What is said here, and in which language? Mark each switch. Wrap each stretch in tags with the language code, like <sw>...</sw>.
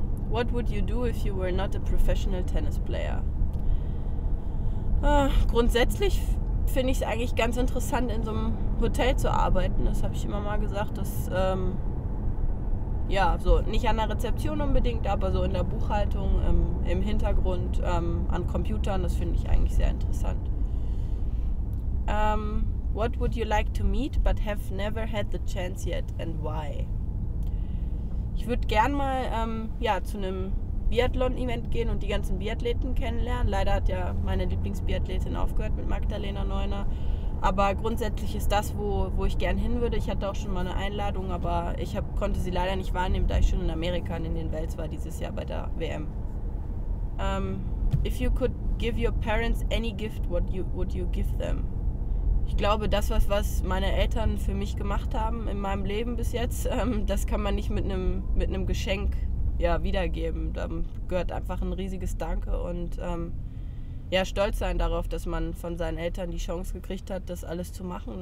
<en>What would you do if you were not a professional tennis player?</en> <de>Grundsätzlich finde ich es eigentlich ganz interessant, in so einem Hotel zu arbeiten. Das habe ich immer mal gesagt, dass ja, so nicht an der Rezeption unbedingt, aber so in der Buchhaltung, im Hintergrund, an Computern, das finde ich eigentlich sehr interessant.</de> <en>What would you like to meet, but have never had the chance yet, and why?</en> <de>Ich würde gern mal ja, zu einem Biathlon-Event gehen und die ganzen Biathleten kennenlernen. Leider hat ja meine Lieblingsbiathletin aufgehört mit Magdalena Neuner. Aber grundsätzlich ist das, wo ich gern hin würde. Ich hatte auch schon mal eine Einladung, aber konnte sie leider nicht wahrnehmen, da ich schon in Amerika und in den Wales war dieses Jahr bei der WM.</de> <en>If you could give your parents any gift, what would you give them?</en> <de>Ich glaube, das, was meine Eltern für mich gemacht haben in meinem Leben bis jetzt, das kann man nicht mit einem Geschenk ja, wiedergeben. Da gehört einfach ein riesiges Danke und ja, stolz sein darauf, dass man von seinen Eltern die Chance gekriegt hat, das alles zu machen.</de>